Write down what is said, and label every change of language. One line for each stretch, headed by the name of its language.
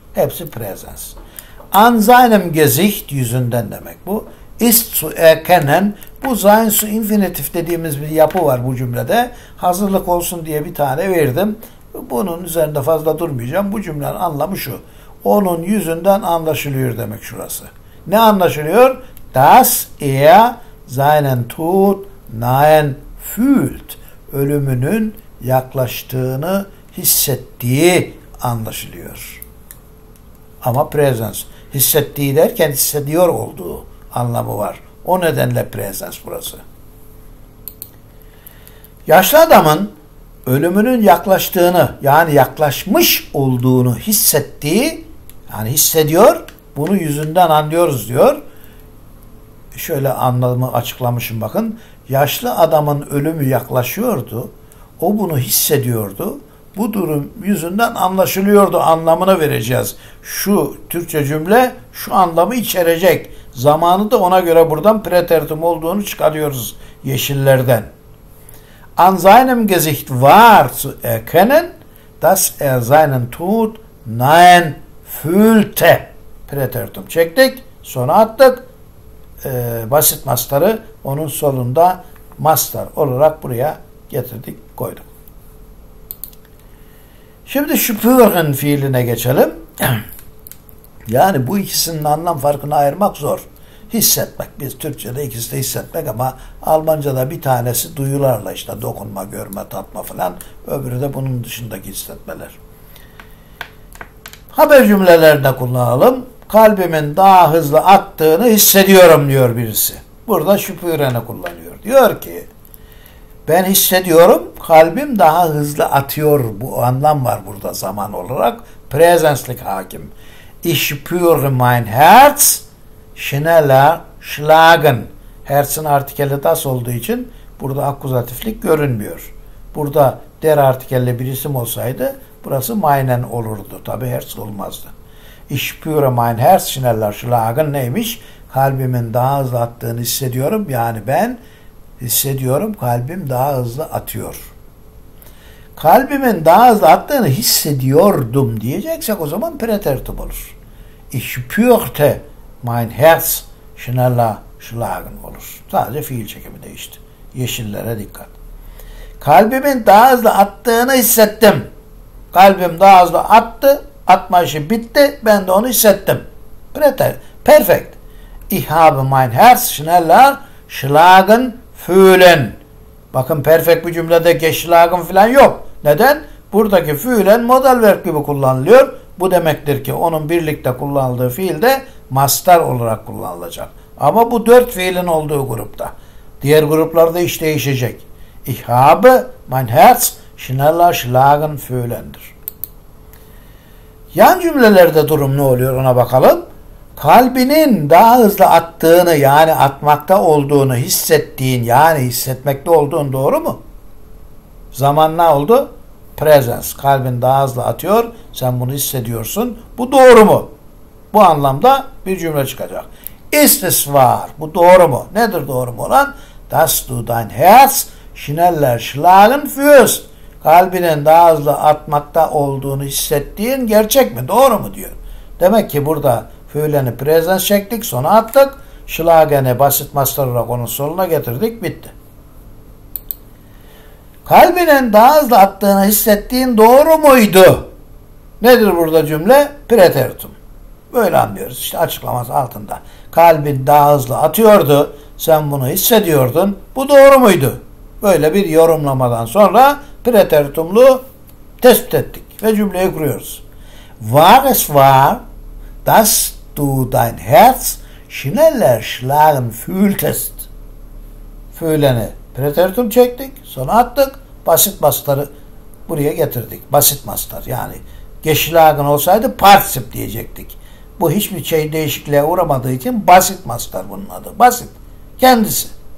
Turkish: Hepsi prezens.
German: An seinem Gesicht
Turkish: yüzünden demek bu.
German: Ist zu erkennen.
Turkish: Bu sein zu infinitif dediğimiz bir yapı var bu cümlede. Hazırlık olsun diye bir tane verdim. Bunun üzerinde fazla durmayacağım. Bu cümlenin anlamı şu. Onun yüzünden anlaşılıyor demek şurası. Ne anlaşılıyor?
German: Das er seinen Tod nahen fühlt.
Turkish: Ölümünün yaklaştığını hissettiği anlaşılıyor. Ama prezens. Hissettiği derken hissediyor olduğu anlamı var. O nedenle prezens burası. Yaşlı adamın ölümünün yaklaştığını yani yaklaşmış olduğunu hissettiği yani hissediyor. Bunu yüzünden anlıyoruz diyor. Şöyle anlamı açıklamışım bakın. Yaşlı adamın ölümü yaklaşıyordu. O bunu hissediyordu. Bu durum yüzünden anlaşılıyordu anlamını vereceğiz. Şu Türkçe cümle şu anlamı içerecek. Zamanı da ona göre buradan preteritum olduğunu çıkarıyoruz yeşillerden.
German: An seinem Gesicht war zu erkennen, dass er seinen Tod nahen fühlte.
Turkish: Preteritum çektik, sona attık. Basit mastarı onun sonunda mastar olarak buraya getirdik, koyduk. Şimdi spüren fiiline geçelim. Yani bu ikisinin anlam farkını ayırmak zor. Hissetmek. Biz Türkçe'de ikisi de hissetmek ama Almanca'da bir tanesi duyularla işte dokunma, görme, tatma falan. Öbürü de bunun dışındaki hissetmeler. Haber cümlelerinde kullanalım. Kalbimin daha hızlı attığını hissediyorum diyor birisi. Burada spüren'i kullanıyor. Diyor ki ben hissediyorum, kalbim daha hızlı atıyor. Bu anlam var burada zaman olarak. Präsenslik hakim.
German: Ich spüre mein Herz schneller schlagen.
Turkish: Herzin artikeli das olduğu için burada akkuzatiflik görünmüyor. Burada der artikelli bir isim olsaydı burası meinen olurdu. Tabii Herz olmazdı.
German: Ich spüre mein Herz schneller schlagen
Turkish: neymiş? Kalbimin daha hızlı attığını hissediyorum. Yani ben hissediyorum kalbim daha hızlı atıyor. Kalbimin daha hızlı attığını hissediyordum diyeceksek o zaman preteritum olur.
German: Ich spürte mein Herz schneller schlagen
Turkish: olur. Sadece fiil çekimi değişti. Yeşillere dikkat. Kalbimin daha hızlı attığını hissettim. Kalbim daha hızlı attı. Atma işi bitti. Ben de onu hissettim. Preteritum. Perfect.
German: Ich habe mein Herz schneller schlagen fühlen.
Turkish: Bakın perfect bir cümlede geçlagen falan yok. Neden? Buradaki fühlen modal verb gibi kullanılıyor. Bu demektir ki onun birlikte kullanıldığı fiil de mastar olarak kullanılacak. Ama bu dört fiilin olduğu grupta. Diğer gruplarda iş değişecek.
German: Ich habe mein Herz schneller schlagen fühlendir.
Turkish: Yan cümlelerde durum ne oluyor ona bakalım. Kalbinin daha hızlı attığını yani atmakta olduğunu hissettiğin yani hissetmekte olduğun doğru mu? Zaman ne oldu? Presence, kalbin daha hızlı atıyor. Sen bunu hissediyorsun. Bu doğru mu? Bu anlamda bir cümle çıkacak. İstisvar, bu doğru mu? Nedir doğru mu olan?
German: Das du dein Herz schneller schlagen fühlst.
Turkish: Kalbinin daha hızlı atmakta olduğunu hissettiğin gerçek mi? Doğru mu diyor. Demek ki burada fühleni presence çektik, sona attık. Schlagen'i basit master olarak onun soluna getirdik, bitti. Kalbinin daha hızlı attığını hissettiğin doğru muydu? Nedir burada cümle? Preteritum. Böyle anlıyoruz. İşte açıklaması altında. Kalbin daha hızlı atıyordu. Sen bunu hissediyordun. Bu doğru muydu? Böyle bir yorumlamadan sonra preteritumlu tespit ettik. Ve cümleyi kuruyoruz.
German: War es war, dass du dein Herz schneller schlagen fühltest.
Turkish: Fühleni preteritum çektik. Sonra attık. Basit mastarı buraya getirdik. Basit mastar. Yani geschlagen olsaydı particip diyecektik. Bu hiçbir şey değişikliğe uğramadığı için basit mastar bunun adı. Basit. Kendisi.